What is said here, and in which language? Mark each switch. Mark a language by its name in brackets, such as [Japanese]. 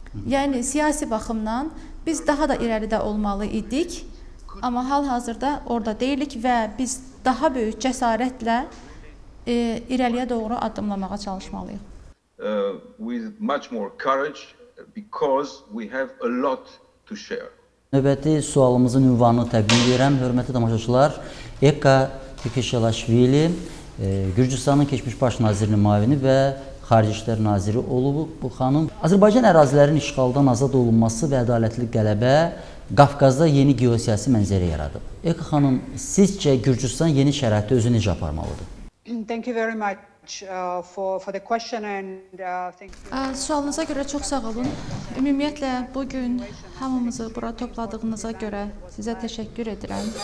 [Azerbaijani] Yəni, siyasi baxımdan biz daha da irəlidə olmalı idik, amma hal-hazırda orada deyilik və biz daha böyük cəsarətlə irəliyə doğru addımlamağa çalışmalıyıq. [English] With much more courage because we have a lot to share. [Azerbaijani] Növbəti sualımızın ünvanını təqdim edirəm. Hörmətli tamaşaçılar, Eka Tikişelaşvili Gürcüstanın keçmiş baş nazirinin müavini və Xarici İşlər naziri olub bu xanım. Azərbaycan ərazilərinin işğaldan azad olunması və ədalətli qələbə Qafqazda yeni geosiyasi mənzərə yaradıb. Eka xanım, sizcə Gürcüstan yeni şəraitdə özünü necə aparmalıdır? [English] Thank you very much for the question and thank you. [Azerbaijani] Sualınıza görə çox sağ olun. Ümumiyyətlə bu gün hamımızı bura topladığınıza görə sizə təşəkkür edirəm.